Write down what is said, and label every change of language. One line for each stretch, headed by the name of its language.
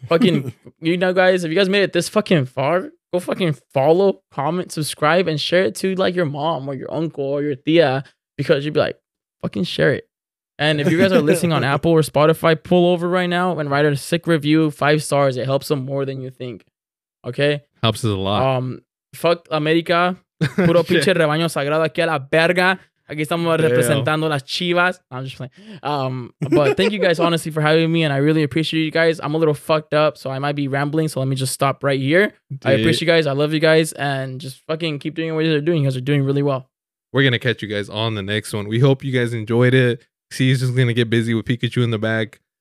English: Fucking, you know, guys, if you guys made it this fucking far, go fucking follow, comment, subscribe, and share it to like your mom or your uncle or your tia, because you'd be like, fucking share it. And if you guys are listening on Apple or Spotify, pull over right now and write a sick review, 5 stars. It helps them more than you think. Okay? Helps us a lot. Fuck America.
Spanish: Puro pinche rebaño sagrado aquí a la verga. Aquí estamos representando las chivas.
English: I'm just playing. But thank you guys honestly for having me, and I really appreciate you guys. I'm a little fucked up, so I might be rambling, so let me just stop right here. Dude. I appreciate you guys. I love you guys, and just fucking keep doing what you guys are doing. You guys are doing really well. We're going to catch you guys on the next one. We hope you guys enjoyed it. See, he's just going to get busy with Pikachu in the back.